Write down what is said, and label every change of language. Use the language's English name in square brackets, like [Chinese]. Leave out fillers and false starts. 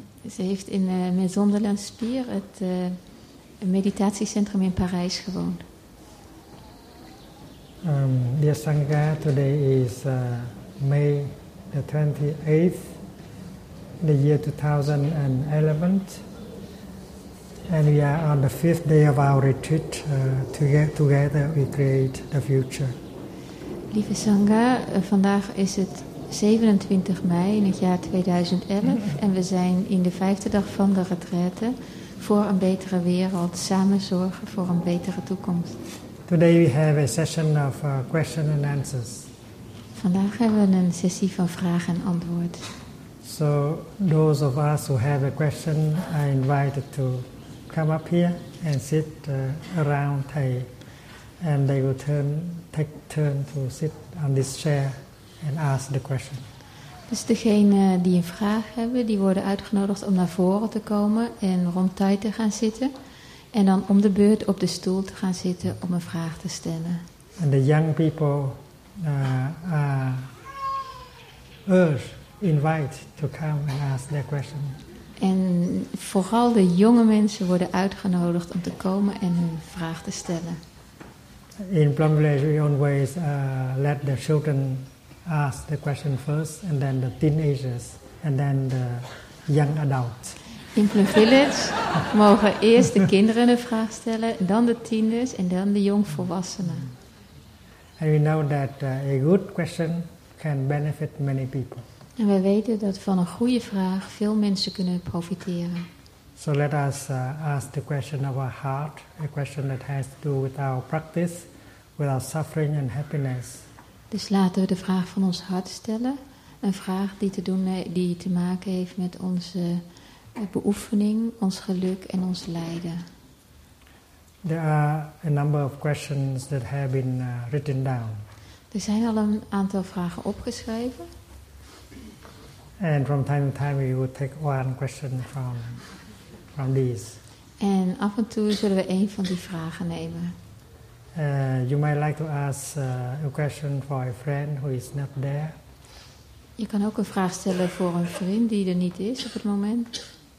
[Dutch] Ze heeft in de Maison de l'Inspire, het meditatiecentrum in Parijs, gewoond. [English] Dear Sangha, today is May the 28th, the year 2011, and we are on the fifth day of our retreat. Together we create the future. [Dutch] Lieve Sangha, vandaag is het 27 mei in het jaar 2011 en we zijn in de vijfde dag van de retraite voor een betere wereld, samen zorgen voor een betere toekomst. [English] Today we have a session of question and answers. [Dutch] Vandaag hebben we een sessie van vraag en antwoord. [English] So those of us who have a question are invited to come up here and sit around Thay, and they will take turn to sit on this chair and ask the question. [Dutch] Dus degene die een vraag hebben, die worden uitgenodigd om naar voren te komen en rond Thay te gaan zitten. En dan om de beurt op de stoel te gaan zitten om een vraag te stellen. [English] And the young people are invited to come and ask their question. [Dutch] En vooral de jonge mensen worden uitgenodigd om te komen en hun vraag te stellen. [English] In Plum Village we always let the children ask the question first, and then the teenagers, and then the young adults. [Dutch] In Plum Village mogen eerst de kinderen een vraag stellen, dan de tieners en dan de jongvolwassenen. [English] And we know that a good question can benefit many people. [Dutch] En we weten dat van een goede vraag veel mensen kunnen profiteren. [English] So let us ask the question of our heart, a question that has to do with our practice, with our suffering and happiness. [Dutch] Dus laten we de vraag van ons hart stellen, een vraag die te maken heeft met onze beoefening, ons geluk en ons lijden. [English] There are a number of questions that have been written down. [Dutch] Er zijn al een aantal vragen opgeschreven. [English] And from time to time we will take one question from these. [Dutch] En af en toe zullen we een van die vragen nemen. [English] You might like to ask a question for a friend who is not there. [Dutch] Je kan ook een vraag stellen voor een vriend die er niet is op het moment.